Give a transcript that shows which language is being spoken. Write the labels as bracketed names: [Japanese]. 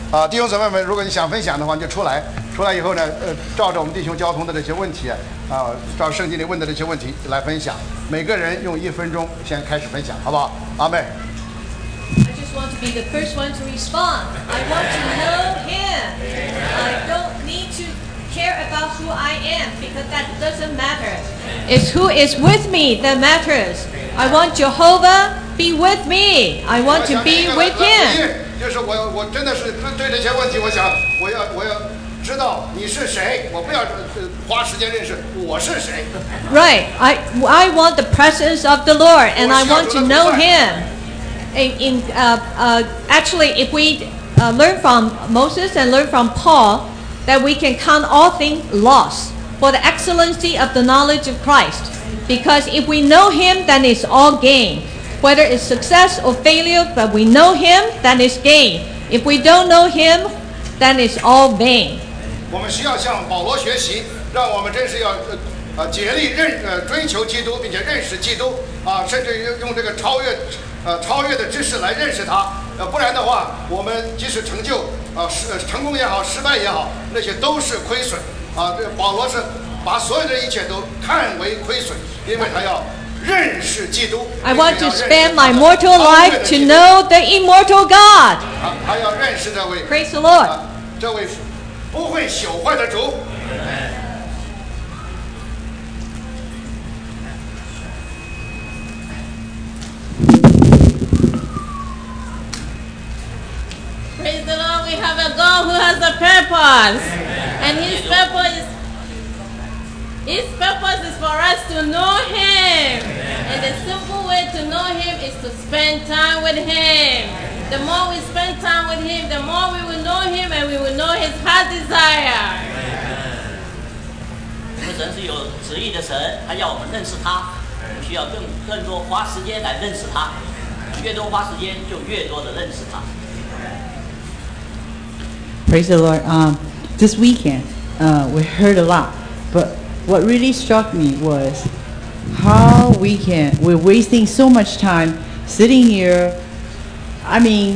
[Chinese] 弟兄姊妹们，如果你想分享的话，你就出来。出来以后呢，照着我们弟兄交通的这些问题，照圣经里问的这些问题来分享。每个人用一分钟先开始分享，好不好？阿门。 [English] I want to be the first one to respond. I want to know Him. I don't need to care about who I am because that doesn't matter. It's who is with me that matters. I want Jehovah be with me. I want to be with Him. [Chinese] 就是我真的是对这些问题，我要知道你是谁，我不要花时间认识我是谁。 [English] Right. I want the presence of the Lord, and I want to know Him. Actually, if we learn from Moses and learn from Paul, that we can count all things loss for the excellency of the knowledge of Christ. Because if we know Him, then it's all gain. Whether it's success or failure, but we know Him, then it's gain. If we don't know Him, then it's all vain. We need to learn from Paul, so we need to pursue Christ and know Christ, even using this surpassing. [Chinese] 超越的知识来认识他，不然的话，我们即使成就，成功也好，失败也好，那些都是亏损，这保罗是把所有的一切都看为亏损，因为他要认识基督。 [English] I want to spend my mortal life to know the immortal God. [Chinese] 他要认识这位。 [English] Praise the Lord. [Chinese] 这位不会朽坏的主。 [English] Praise the Lord, we have a God who has a purpose. And His purpose is for us to know Him. And the simple way to know Him is to spend time with Him. The more we spend time with Him, the more we will know Him and we will know His heart desire. Amen. [Chinese] 神是有旨意的神，他要我们认识他，我们需要更多花时间来认识他，越多花时间就越多的认识他。 [English] Praise the Lord. This weekend, we heard a lot, but what really struck me was how we're wasting so much time sitting here. I mean.